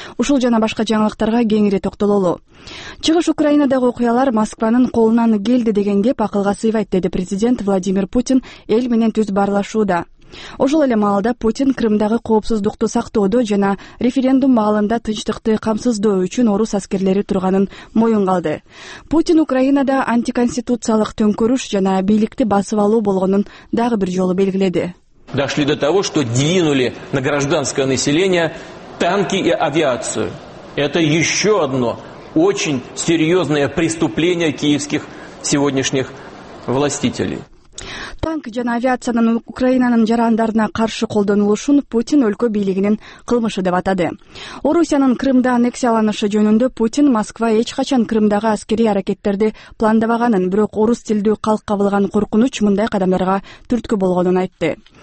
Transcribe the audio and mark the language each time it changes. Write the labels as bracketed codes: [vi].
[ky] Ушул жана башка жаңылыктарга кеңири токтололу. Чыгыш Украинадагы окуялар Москванын колунан келди деген кеп акылга сыйбайт, деди президент Владимир Путин эл менен түз баарлашууда. Ошол эле маалда Путин Крымдагы коопсуздукту сактоодо жана референдум маалында тынчтыкты камсыздоо үчүн орус аскерлери турганын моюнга алды. Путин Украинада антиконституциялык төңкөрүш жана бийликти басып алуу болгонун дагы бир жолу белгиледи. [ru] Дошли до того, что двинули на гражданское население танки и авиацию. Это еще одно очень серьезное преступление киевских сегодняшних властителей. [ky] Танк жана авиациянын Украинанын жарандарына каршы колдонулушун Путин өлкө бийлигинин кылмышы деп атады. Орусиянын Крымда аннексияланышы жөнүндө Путин Москва эч качан Крымдагы аскерий аракеттерди пландабаганын, бирок орус тилдүү калк кабылган коркунуч мындай кадамдарга түрткү болгонун айтты.